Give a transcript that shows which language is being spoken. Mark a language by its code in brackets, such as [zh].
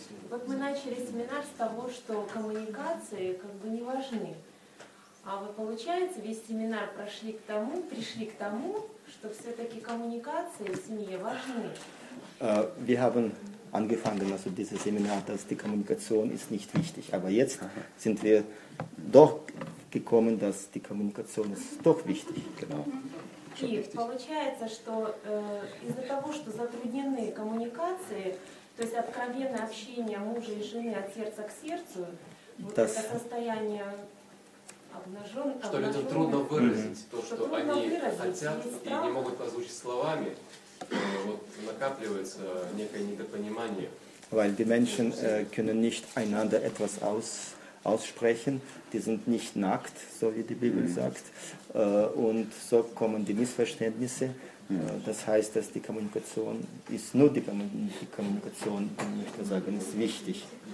[ru] Вот мы начали семинар с того, что коммуникации как бы не важны. А вот получается, весь семинар пришли к тому, что все-таки коммуникации в семье важны. [de] Wir haben angefangen, also dieses Seminar, dass die Kommunikation ist nicht wichtig. Aber jetzt sind wir doch gekommen, dass die Kommunikation ist doch wichtig. Genau. [ru] И получается, что из-за того, что затруднены коммуникации, то есть откровенное общение мужа и жены от сердца к сердцу, вот das, это состояние обнаженное... Что людям трудно выразить то, что они хотят и не могут озвучить словами, вот накапливается некое недопонимание. [de] Weil die Menschen können nicht einander etwas aussprechen, die sind nicht nackt, so wie die Bibel sagt, und so kommen die Missverständnisse. Das heißt, dass die Kommunikation ist nur die Kommunikation, ich möchte sagen, ist wichtig.